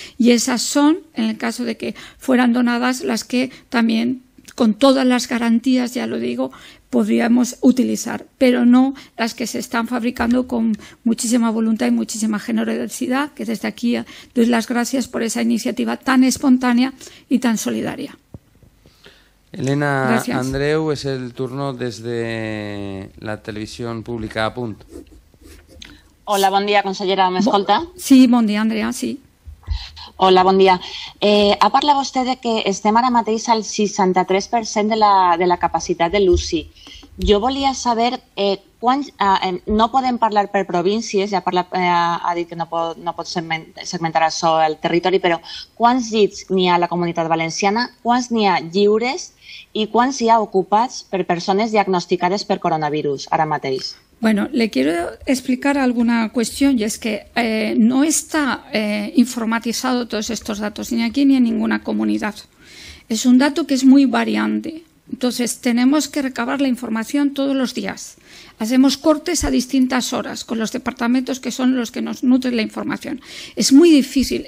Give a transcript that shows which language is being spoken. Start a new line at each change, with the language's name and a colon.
Spanish: Y esas son, en el caso de que fueran donadas, las que también, con todas las garantías, ya lo digo, podríamos utilizar, pero no las que se están fabricando con muchísima voluntad y muchísima generosidad, que desde aquí doy las gracias por esa iniciativa tan espontánea y tan solidaria. Elena, gracias. Andreu, es el turno desde la televisión pública A Punt. Hola, buen día, consellera.
Catalan: ¿Me escolta?
Spanish: Sí, buen día, Andrea, sí.
Catalan: Hola, bon dia. Ha parlat vostè de que estem ara mateix al 63% de la capacitat de l'UCI. Jo volia saber, no podem parlar per províncies, ja ha dit que no pot segmentar això el territori, però quants llits n'hi ha a la Comunitat Valenciana, quants n'hi ha lliures i quants hi ha ocupats per persones diagnosticades per coronavirus ara mateix?
Spanish: Bueno, le quiero explicar alguna cuestión y es que no está informatizado todos estos datos ni aquí ni en ninguna comunidad. Es un dato que es muy variante. Entonces, tenemos que recabar la información todos los días. Hacemos cortes a distintas horas con los departamentos que son los que nos nutren la información. Es muy difícil.